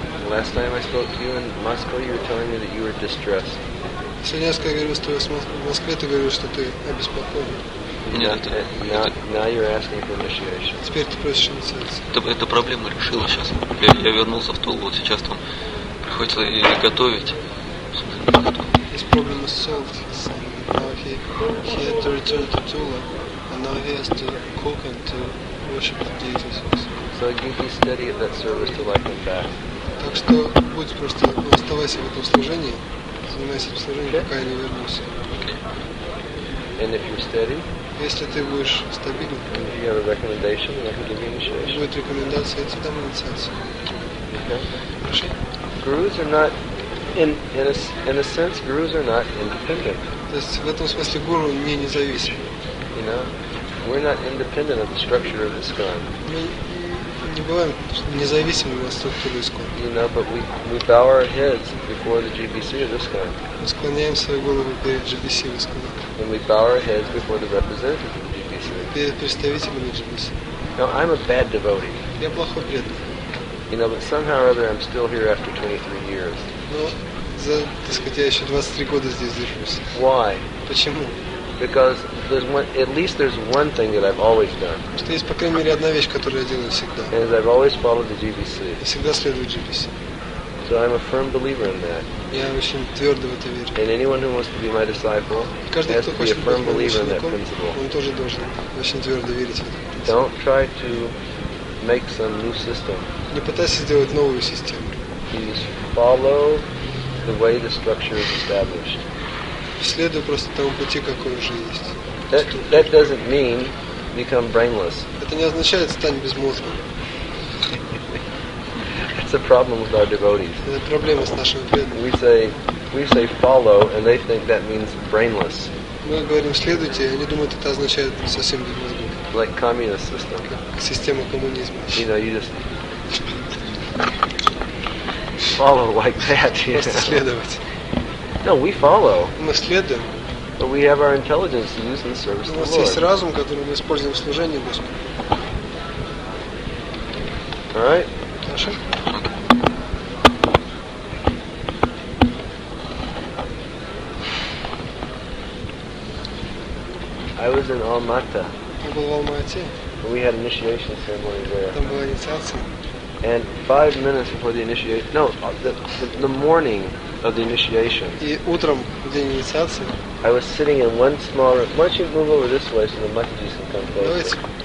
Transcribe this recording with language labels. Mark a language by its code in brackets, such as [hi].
[en] Last time I spoke to you in Moscow, you were telling me that you were distressed. [ru] Сегодня я говорил с тобой в Москве, ты говорил, что ты обеспокоен. [en] Нет, now you're asking for initiation. [ru] Теперь ты просишь инициации. Эта проблема решила сейчас. Я вернулся в Тулу, вот сейчас там приходится и готовить. [en] His problem is solved. Now he had to return to Tula, and now he has to cook and to So you can study at that service till I come back. [ru] Так что будь просто оставайся в этом служении, занимайся в служении, пока я не вернусь. [en] And if you're steady, [ru] если ты будешь стабилен, [en] and if you have a recommendation, then I can give you initiation. [ru] Будет рекомендация, я тебе дам инициацию. [en] Okay. Gurus are not in a sense, gurus are not independent. [ru] То есть в этом смысле гуру не независим. [en] You know. We're not independent of the structure of the ISKCON. [ru] Мы не бываем независимыми от структуры ISKCON. [en] You know, but we bow our heads before the GBC of ISKCON. [ru] Мы склоняем свои головы перед GBC в ISKCON. [en] And we bow our heads before the representative of the GBC. [ru] Перед представителями GBC. [en] Now, I'm a bad devotee. [ru] Я плохой преданный. [en] You know, but somehow or other, I'm still here after 23 years. [ru] Но, за, так сказать, я еще 23 года здесь держусь. [en] Why? [ru] Почему? [en] Because there's one, at least there's one thing that I've always done. [ru] Что есть, по крайней мере, одна вещь, которую я делаю всегда. [en] And I've always followed the GBC. [ru] Я всегда следую GBC. [en] So I'm a firm believer in that. [ru] Я очень твердо в это верю. [en] And anyone who wants to be my disciple [ru] Каждый, [en] has to be a firm believer in that principle. [ru] Он тоже должен очень твердо верить в это. [en] Don't try to make some new system. [ru] Не пытайся сделать новую систему. [en] You just follow the way the structure is established. [ru] Следуй просто тому пути, какой уже есть. [en] That doesn't mean become brainless. [ru] Это не означает стань безмозглым. [en] It's the problem with our devotees. [ru] Это проблема с нашими преданными. [en] We say follow, and they think that means brainless. [ru] Мы говорим следуйте, и они думают, это означает совсем без мозгов. [en] Like communist system. [ru] Система коммунизма. [en] You know, you just follow like that. [ru] Просто следовать. [en] No, we follow. [ru] Мы следуем. [en] But we have our intelligence to use in the service of the Lord. [ru] У нас есть разум, который мы используем в служении Господу. [en] All right. I was in Almaty. [ru] Я был в Алмате. [en] We had initiation ceremony there. [ru] Там была инициация. [en] And 5 minutes before the initiation, the morning of the initiation. [ru] И утром в день инициации. [en] I was sitting in one small room. Why don't you move over this way so the Matajis can come closer?